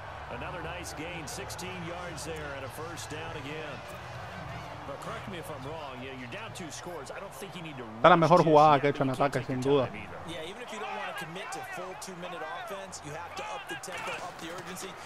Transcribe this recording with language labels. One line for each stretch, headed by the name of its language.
English: Another nice gain, 16 yards there and a first down again. But correct me if I'm wrong, yeah, you're down two scores. I don't think you need to.
Spanish: Está la mejor jugada que he hecho en ataque, sin duda.
English: Yeah, even if you don't want to commit to full 2-minute offense, you have to up the tempo, up the urgency.